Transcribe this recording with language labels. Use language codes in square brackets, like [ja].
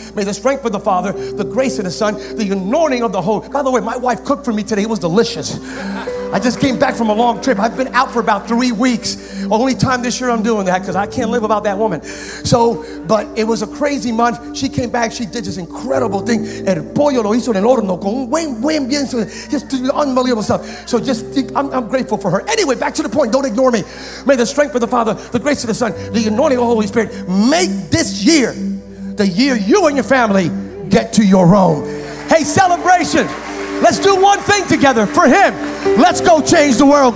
[en] May the strength of the Father, the grace of the Son, the anointing of the Holy. By the way, my wife cooked for me today. It was delicious. I just came back from a long trip. I've been out for about 3 weeks. Only time this year I'm doing that because I can't live without that woman. So, but it was a crazy month. She came back. She did this incredible thing. [es] El pollo lo hizo en el horno con un buen bien. [en] Just unbelievable stuff. So just, I'm grateful for her. Anyway, back to the point. Don't ignore me. May the strength of the Father, the grace of the Son, the anointing of the Holy Spirit make this year the year you and your family get to your own. Hey, celebration. Let's do one thing together for him. Let's go change the world.